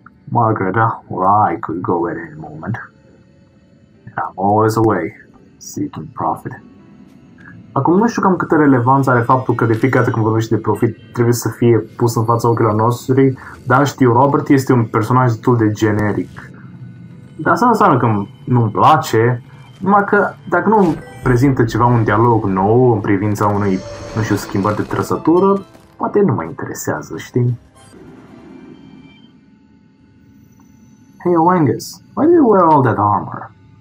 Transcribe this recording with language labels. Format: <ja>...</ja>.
<en>Margaret, or I could go at any moment. And I'm always away, seeking profit.</en> <ro>Acum nu știu cam câtă relevanță are faptul că de fiecare dată când vorbești de profit trebuie să fie pus în fața ochilor noștri, dar știu, Robert este un personaj destul de generic. Dar asta nu înseamnă că nu-mi place, numai că dacă nu prezintă ceva un dialog nou în privința unui, nu știu, schimbări de trăsătură, poate nu mă interesează, știi?</ro> <en>Hey, Owengus, why do you wear all that armor?</en>